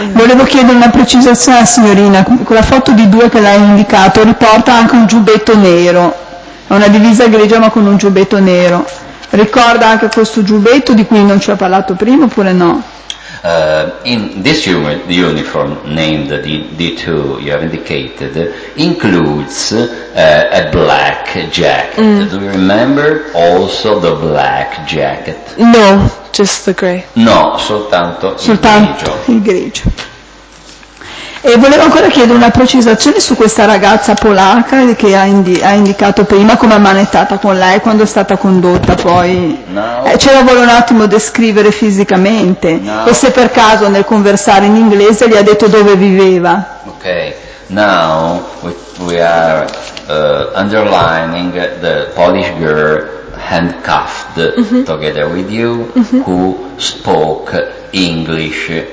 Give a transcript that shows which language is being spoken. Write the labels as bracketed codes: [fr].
[it] Volevo chiedere una precisazione alla signorina, quella foto di due che l'ha indicato riporta anche un giubbetto nero, è una divisa grigia ma con un giubbetto nero. Ricorda anche questo giubbetto di cui non ci ha parlato prima oppure no? [en] In this uniform named D2 you have indicated includes a black jacket. Mm. Do you remember also the black jacket? No, just the grey. [it] No, soltanto il grigio. E volevo ancora chiedere una precisazione su questa ragazza polacca che ha indicato prima come ha manettata con lei, quando è stata condotta poi. Ce la vuole un attimo descrivere fisicamente. No. E se per caso nel conversare in inglese gli ha detto dove viveva. [en] Ok, now we are underlining the Polish girl handcuffed together with you who spoke English.